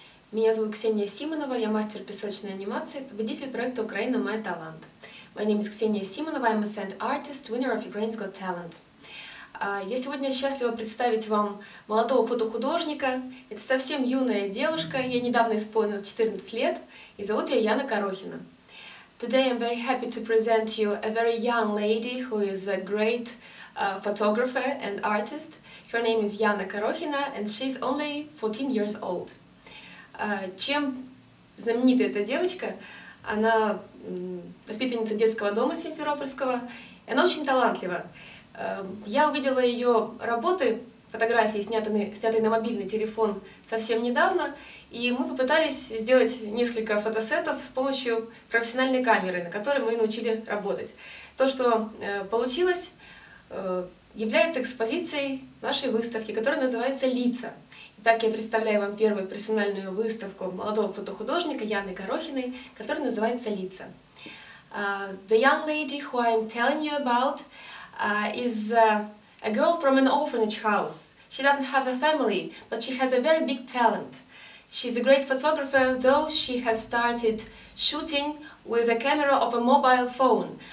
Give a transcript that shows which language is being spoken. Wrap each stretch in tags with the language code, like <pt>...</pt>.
<ru>Меня зовут Ксения Симонова, я мастер песочной анимации, победитель проекта «Украина. Мой талант».</ru> <en>My name is Ксения Симонова, I'm a sand artist, winner of Ukraine's Got Talent.</en> <ru>Я сегодня счастлива представить вам молодого фотохудожника. Это совсем юная девушка, ей недавно исполнилось 14 лет, и зовут ее Яна Корохина.</ru> <en>Today I'm very happy to present you a very young lady who is a great photographer and artist. Her name is Яна Корохина, and she's only 14 years old.</en> <ru>Чем знаменита эта девочка? Она воспитанница детского дома симферопольского, и она очень талантлива. Я увидела ее работы, фотографии, снятые на мобильный телефон совсем недавно, и мы попытались сделать несколько фотосетов с помощью профессиональной камеры, на которой мы научили работать. То, что получилось, является экспозицией нашей выставки, которая называется «Лица». Итак, я представляю вам первую персональную выставку молодого фотохудожника Яны Корохиной, которая называется «Лица».</ru> <en>The young lady who I'm telling you about is a girl from an orphanage house. She doesn't have a family, but she has a very big talent. She's a great photographer, though she has started shooting with a camera of a mobile phone.</en>